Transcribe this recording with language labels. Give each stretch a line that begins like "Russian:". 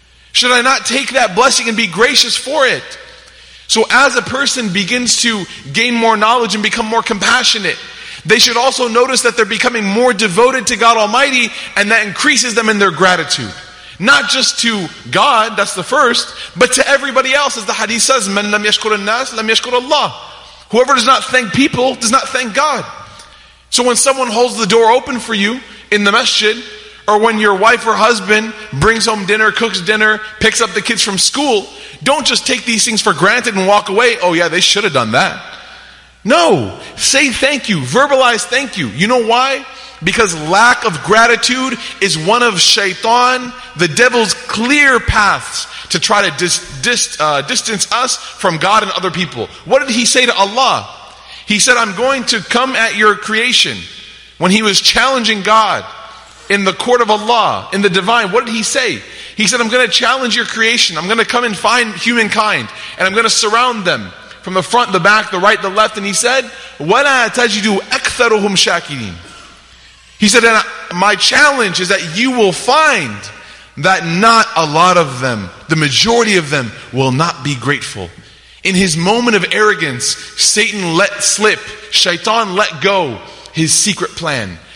English: Should I not take that blessing and be gracious for it? So as a person begins to gain more knowledge and become more compassionate, they should also notice that they're becoming more devoted to God Almighty, and that increases them in their gratitude. Not just to God, that's the first, but to everybody else.
Arabic: As the hadith says, مَنْ لَمْ يَشْكُرَ النَّاسِ لَمْ يَشْكُرَ اللَّهِ.
English: Whoever does not thank people does not thank God. So when someone holds the door open for you in the masjid, or when your wife or husband brings home dinner, cooks dinner, picks up the kids from school, don't just take these things for granted and walk away. Oh yeah, they should have done that. No, say thank you, verbalize thank you. You know why? Because lack of gratitude is one of shaitan, the devil's clear paths to try to distance us from God and other people. What did he say to Allah? He said, I'm going to come at your creation. When he was challenging God in the court of Allah, in the divine, what did he say? He said, I'm going to challenge your creation. I'm going to come and find humankind, and I'm going to surround them from the front, the back, the right, the left.
Arabic: And he said, وَلَا تَجِدُوا أَكْثَرُهُمْ شَاكِرِينَ.
English: He said, and my challenge is that you will find that not a lot of them, the majority of them, will not be grateful. In his moment of arrogance, Satan let slip, shaitan let go his secret plan.